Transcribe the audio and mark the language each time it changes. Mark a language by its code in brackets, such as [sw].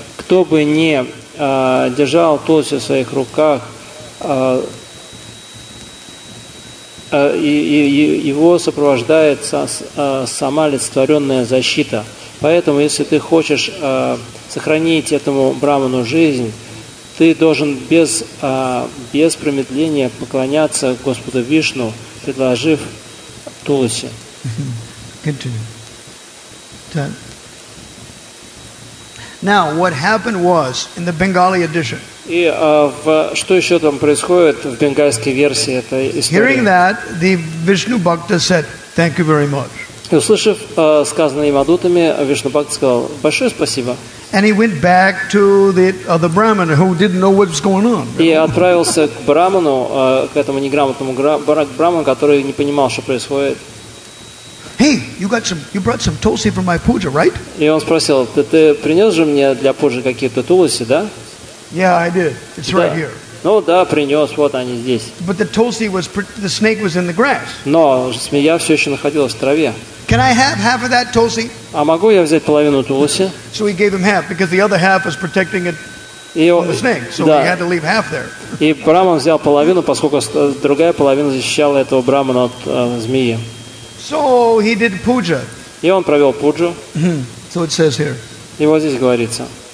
[ru] Кто бы не держал Туласи в своих руках, и его сопровождает сама олицетворенная защита. Поэтому, если ты хочешь сохранить этому брахману жизнь, ты должен без промедления поклоняться Господу Вишну, предложив Туласи. [en] Continue. Ten. Now, what happened was in the Bengali edition. [ru] И что еще там происходит в бенгальской версии этой истории? [en] Hearing that, the Vishnu Bhakta said, "Thank you very much." [ru] Услышав сказанное мадутами, Вишну Бхакта сказал: "Большое спасибо." [en] And he went back to the other Brahmin who didn't know what was going on. [ru] И отправился к браману, к этому неграмотному браману, который не понимал, что происходит. [en] Hey, you brought some tulsi for my puja, right? [ru] И он спросил: ты принес же мне для пуджи какие-то тулси, да? [en] Yeah, I did. It's [ru] да. [en] Right here. [ru] Ну да, принес, вот они здесь. [en] But the tulsi was the snake was in the grass. [ru] Но змея все еще находилась в траве. [en] Can I have half of that tulsi? [ru] А могу я взять половину тулси? [en] So he gave him half because the other half was protecting it [ru] И Брама взял половину, поскольку другая половина защищала этого Брамана от змеи. [en] So he did puja. [ru] И он провел пуджу. [en] So it says here. [ru] И вот здесь говорится.